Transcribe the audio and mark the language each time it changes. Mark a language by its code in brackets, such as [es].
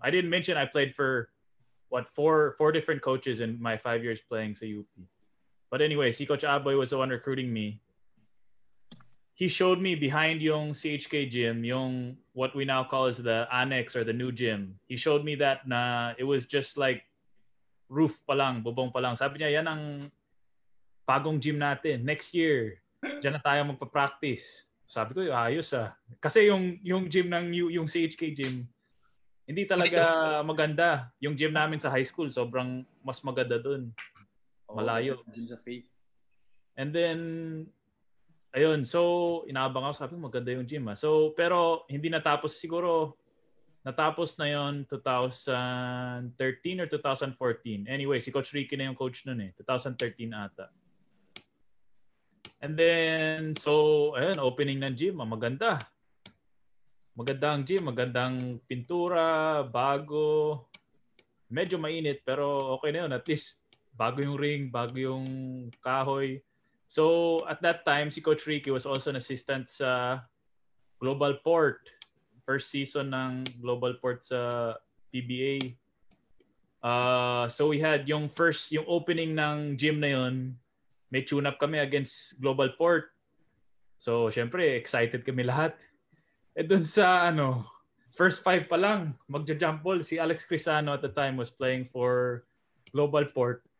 [en] I didn't mention I played for four different coaches in my 5 years playing sa UP. But anyway, si Coach Aboy was the one recruiting me. He showed me behind yung CHK gym, yung what we now call as the annex or the new gym. He showed me that na it was just like roof palang, [tl] bubong palang. Sabi niya, yan ang bagong gym natin. Next year, dyan na tayo magpa-practice. Sabi ko, ayos ah. Kasi yung gym ng yung CHK gym, hindi talaga maganda. Yung gym namin sa high school, sobrang mas maganda dun. Malayo. [en] Gym's a faith. [tl] And then, ayun, so inaabang ako, sabi ko maganda yung gym. So, pero hindi natapos siguro. Natapos na yon 2013 or 2014. Anyway, si Coach Ricky na yung coach nun eh. 2013 ata. And then, so, ayun, opening ng gym. Maganda. Magandang gym. Magandang pintura, bago. Medyo mainit, pero okay na yun. At least, bago yung ring, bago yung kahoy. [en] So at that time, si Coach Ricky was also an assistant sa Global Port. First season ng Global Port sa PBA. [tl] So we had yung opening ng gym na yun, may tune-up kami against Global Port. So syempre, excited kami lahat. E dun sa first five pa lang, magja-jump ball. [en] Si Alex Crisano at the time was playing for Global Port.